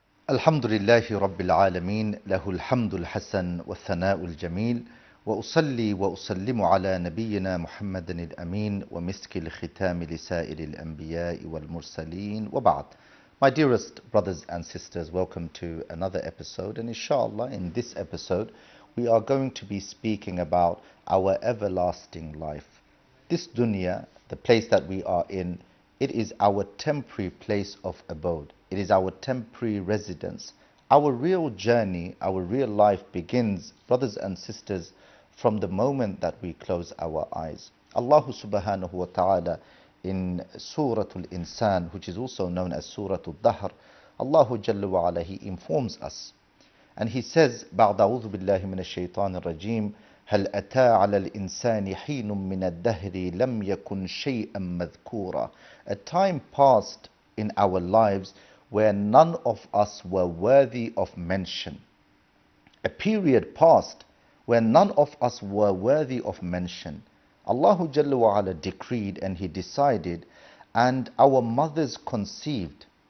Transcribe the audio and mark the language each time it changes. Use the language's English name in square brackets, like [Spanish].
[Arabic] الحمد لله رب العالمين له الحمد الحسن والثناء الجميل وأصلي وأسلم على نبينا محمد الأمين ومسك الختام لسائر الأنبياء والمرسلين وبعد. [English] My dearest brothers and sisters, welcome to another episode. And inshallah, in this episode, we are going to be speaking about our everlasting life. This dunya, the place that we are in, it is our temporary place of abode. It is our temporary residence. Our real journey, our real life begins, brothers and sisters, from the moment that we close our eyes. Allah subhanahu wa ta'ala in Surah Al-Insan, which is also known as Surah Al-Dahr, Allah jalla wa ala, he informs us. And he says, [Arabic] بَعْدَ أَعُوذُ بِاللَّهِ مِنَ الشَّيْطَانِ الرَّجِيمِ هَلْ أَتَى عَلَى الْإِنسَانِ حِينٌ مِّنَ الدَّهْرِ لَمْ يَكُنْ شَيْئًا مَذْكُورًا. [English] A time passed in our lives where none of us were worthy of mention. A period passed where none of us were worthy of mention. Allah Jalla wa Ala decreed and He decided, and our mothers conceived.